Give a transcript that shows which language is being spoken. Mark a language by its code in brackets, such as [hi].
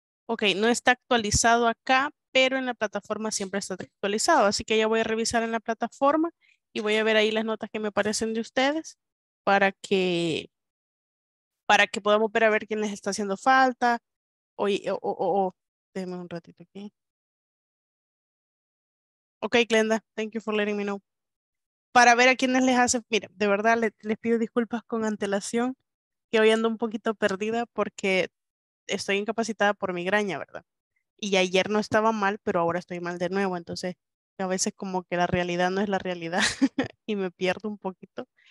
[es] Ok, no está actualizado acá, pero en la plataforma siempre está actualizado. Así que ya voy a revisar en la plataforma y voy a ver ahí las notas que me aparecen de ustedes para que podamos ver a ver quién les está haciendo falta. Déjenme un ratito aquí. [en] Ok, Glenda, thank you for letting me know. [es] Para ver a quiénes les hace, mire, de verdad les pido disculpas con antelación, que hoy ando un poquito perdida porque estoy incapacitada por migraña, ¿verdad? Y ayer no estaba mal, pero ahora estoy mal de nuevo, entonces a veces como que la realidad no es la realidad y me pierdo un poquito.